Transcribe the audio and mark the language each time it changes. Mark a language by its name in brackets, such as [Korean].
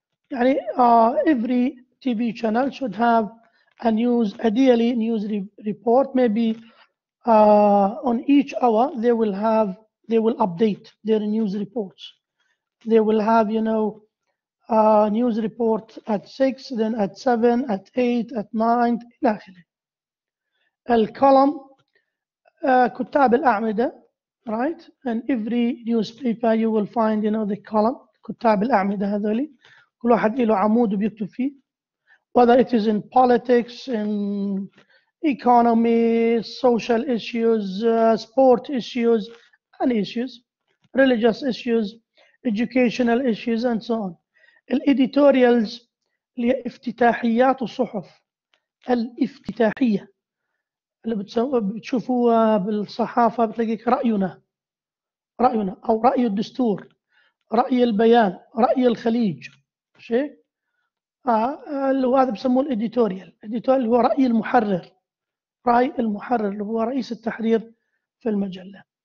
[English] Every TV channel should have a news, ideally news report, maybe On each hour, they will have, they will update their news reports. They will have, you know, news report at 6, then at 7, at 8, at 9, [Arabic] إلى آخره. [English] Column, [Arabic] كتاب الأعمدة, [English] right? And every newspaper, you will find, you know, the column, [Arabic] كتاب الأعمدة هذولي. كل واحد له عمود بيكتب فيه. [English] Whether it is in politics, in economy, social issues, sport issues, and issues, religious issues, educational issues, and so on. [Arabic] الإديتوريالز اللي هي افتتاحيات الصحف الافتتاحية اللي بتشوفوها بالصحافة بتلاقيك رأينا أو رأي الدستور رأي البيان رأي الخليج شيء اللي هو هذا بسموه الإديتوريال الإديتوريال هو رأي المحرر رأي المحرر اللي هو رئيس التحرير في المجلة